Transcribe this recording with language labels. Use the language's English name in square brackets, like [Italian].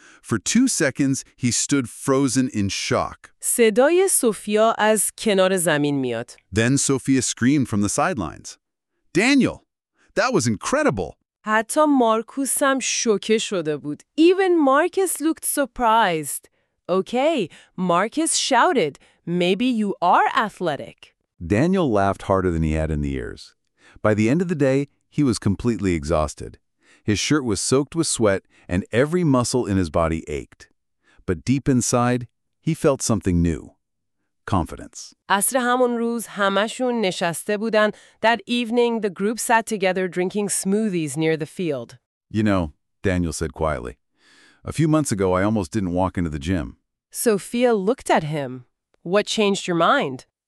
[English] For 2 seconds, he stood frozen in shock. [Persian] صدای سوفیا از کنار زمین میاد. [English] Then Sophia screamed from the sidelines. Daniel, that was incredible. [Persian] حتی مارکوس هم شوکه شده بود. [English] Even Marcus looked surprised. Okay, Marcus shouted. Maybe you are athletic. Daniel laughed harder than he had in the years. By the end of the day, he was completely exhausted. His shirt was soaked with sweat, and every muscle in his body ached. But deep inside, he felt something new. confidence. [Persian] عصر همون روز همشون نشسته بودن. [English] That evening, the group sat together drinking smoothies near the field. You know, Daniel said quietly, a few months ago, I almost didn't walk into the gym. Sophia looked at him. What changed your mind?